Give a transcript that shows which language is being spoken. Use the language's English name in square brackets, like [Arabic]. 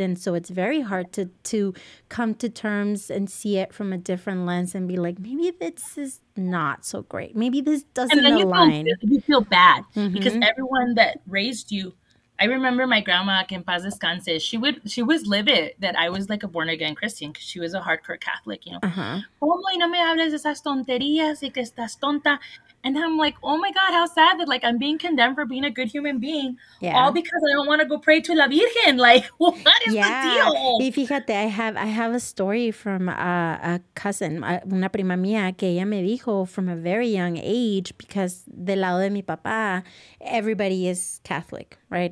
[English] And so it's very hard to come to terms and see it from a different lens and be like, maybe this is not so great. Maybe this doesn't align. And then you feel bad because everyone that raised you. I remember my grandma, [Spanish] que en paz descanse, [English] she was livid that I was like a born-again Christian because she was a hardcore Catholic, you know. Uh-huh. [Spanish] ¿Cómo y no me hables de esas tonterías y que estás tonta? [English] And I'm like, oh my God, how sad that like I'm being condemned for being a good human being all because I don't want to go pray to la Virgen. Like, what is the deal? [Spanish] Y fíjate, [English] I have a story from a cousin, [Spanish] una prima mía, que ella me dijo [English] from a very young age, because [Spanish] del lado de mi papá, [English] everybody is Catholic, right?